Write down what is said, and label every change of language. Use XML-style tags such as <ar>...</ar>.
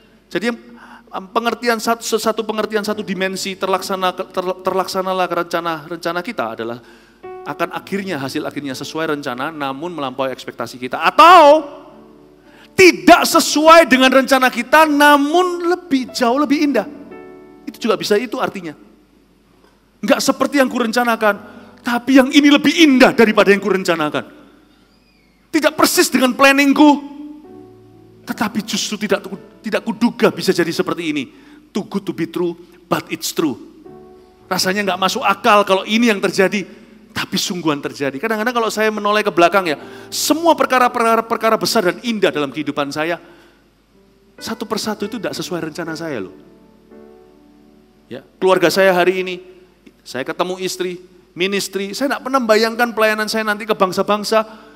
<id>Jadi pengertian satu pengertian satu dimensi terlaksanalah rencana kita adalah akan akhirnya hasil akhirnya sesuai rencana namun melampaui ekspektasi kita atau tidak sesuai dengan rencana kita namun lebih jauh lebih indah. Itu juga bisa itu artinya. Enggak seperti yang kurencanakan, tapi yang ini lebih indah daripada yang kurencanakan. Tidak persis dengan planningku, tetapi justru tidak kuduga bisa jadi seperti ini.</id> <en>Too good to be true, but it's true.</en> <id>Rasanya enggak masuk akal kalau ini yang terjadi, tapi sungguhan terjadi. Kadang-kadang kalau saya menoleh ke belakang ya, semua perkara-perkara besar dan indah dalam kehidupan saya, satu persatu itu enggak sesuai rencana saya loh. Ya, keluarga saya hari ini, saya ketemu istri, ministry, saya gak pernah bayangkan pelayanan saya nanti ke bangsa-bangsa.</id>